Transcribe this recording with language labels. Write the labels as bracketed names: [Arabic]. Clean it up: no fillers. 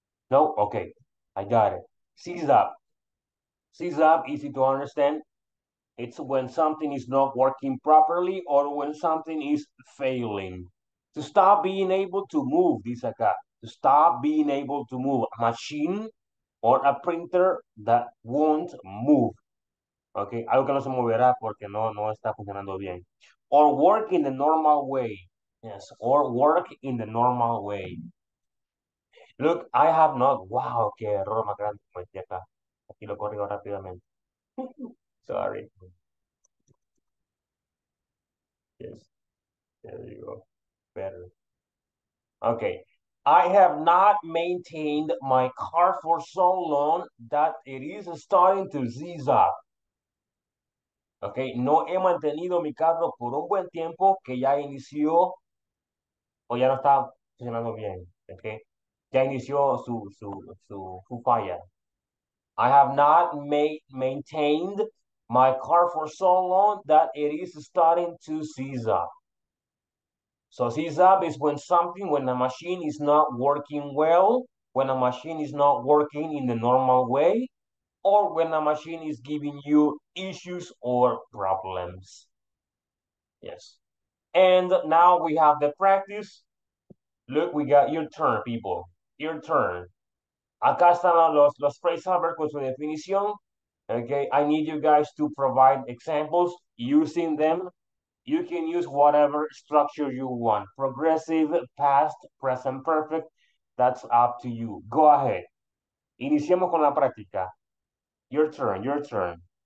[English] No? Okay. I got it. Seize up. Seize up, easy to understand. It's when something is not working properly or when something is failing. To stop being able to move, [Spanish] dice acá. [English] To stop being able to move. A machine or a printer that won't move. [Spanish] Okay, algo que no se moverá porque no está funcionando bien. [English] Or work in the normal way. Yes, or work in the normal way. Look, I have not. Wow, [Spanish] qué error más grande cometí acá. Aquí lo corrigo rápidamente. [English] Sorry. Yes. There you go. Better. Okay. I have not maintained my car for so long that it is starting to seize up. Okay. [Spanish] No he mantenido mi carro por un buen tiempo que ya inició o ya no está funcionando bien. Okay. Ya inició su falla. [English] I have not maintained my car for so long that it is starting to seize up. So seize up is when something, when a machine is not working well, when a machine is not working in the normal way, or when a machine is giving you issues or problems. Yes. And now we have the practice. Look, we got your turn, people. Your turn. [Spanish] Acá están los phrasal verbs con su definición. [English] Okay, I need you guys to provide examples using them. You can use whatever structure you want. Progressive, past, present perfect. That's up to you. Go ahead. [Spanish] Iniciemos con la práctica. [English] Your turn, your turn.